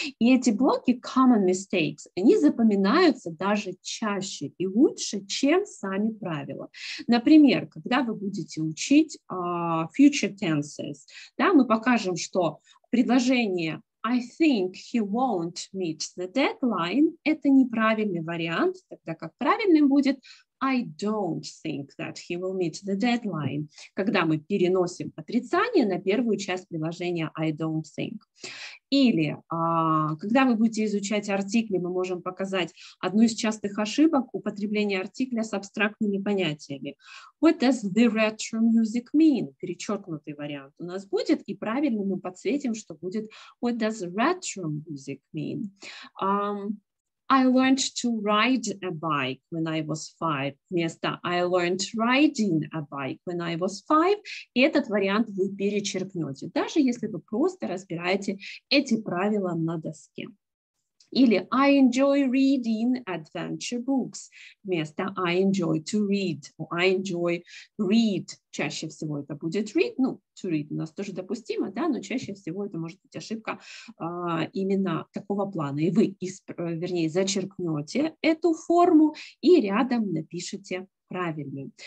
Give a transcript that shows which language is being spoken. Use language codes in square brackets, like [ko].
[ru] И эти блоки common mistakes, они запоминаются даже чаще и лучше, чем сами правила. Например, когда вы будете учить future tenses, да, мы покажем, что предложение [en] I think he won't meet the deadline. [ru] Это неправильный вариант, тогда как правильным будет [en] I don't think that he will meet the deadline. [ru] Когда мы переносим отрицание на первую часть предложения [en] I don't think. [ru] Или когда вы будете изучать артикли, мы можем показать одну из частых ошибок употребления артикля с абстрактными понятиями. [en] What does the retro music mean? [ru] Перечеркнутый вариант у нас будет, и правильно мы подсветим, что будет [en] What does retro music mean? I learned to ride a bike when I was 5, [ru] вместо [en] I learned riding a bike when I was 5, [ru] и этот вариант вы перечеркнете, даже если вы просто разбираете эти правила на доске. Или [en] I enjoy reading adventure books, [ru] вместо [en] I enjoy to read, or I enjoy read, [ru] чаще всего это будет read, ну, to read у нас тоже допустимо, да, но чаще всего это может быть ошибка именно такого плана, и вы, вернее, зачеркнете эту форму и рядом напишите правильный.